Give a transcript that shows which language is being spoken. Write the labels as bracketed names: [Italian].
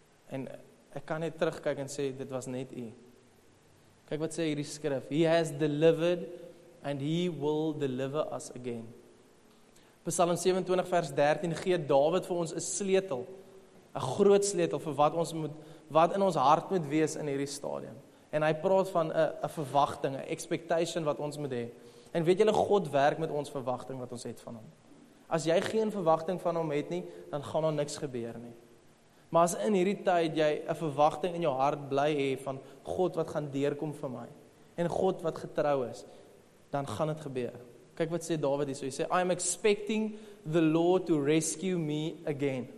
[Afrikaans] En ek kan net terugkyk en sê, dit was net u. Kyk wat sê hierdie skrif, [English] He has delivered, and He will deliver us again. [Afrikaans] Psalm 27 vers 13 gee Dawid vir ons 'n sleutel, 'n groot sleutel vir wat ons moet, wat in ons hart moet wees in hierdie stadium. En hy praat van 'n verwagting, 'n expectation wat ons moet hê. En weet julle, God werk met ons verwagting wat ons het van hom. As jy geen verwagting van hom het nie, dan gaan daar niks gebeur nie. Maar as in hierdie tyd jy 'n verwagting in jou hart bly hê van God wat gaan deurkom vir my en God wat getrou is, dan gaan dit gebeur. Kyk wat sê Dawid hier, so hy sê, [English] I am expecting the Lord to rescue me again.